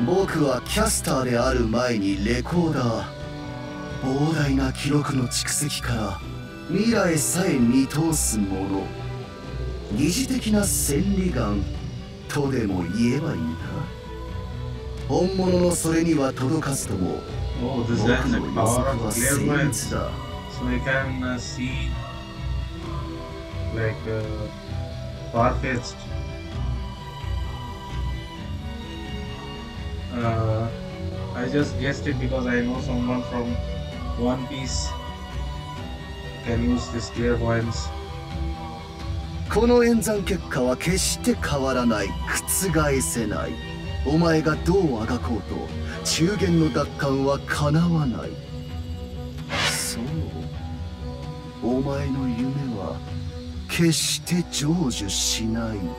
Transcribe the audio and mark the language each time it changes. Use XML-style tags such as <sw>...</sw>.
<ja>僕はキャスターである前にレコーダー。膨大な記録の蓄積から、未来さえ見通すもの、疑似的な千里眼とでも言えばいいか。本物のそれには届かずとも、僕の予測は精密だ。</ja> <en>So you can see like a far-fetched I just guessed it because I know someone from One Piece can use this clairvoyance.</en> <ja>この演算結果は決して変わらない。覆せない。お前がどうあがこうと、中元の奪還は叶わない。そう。お前の夢は決して成就しない。</ja>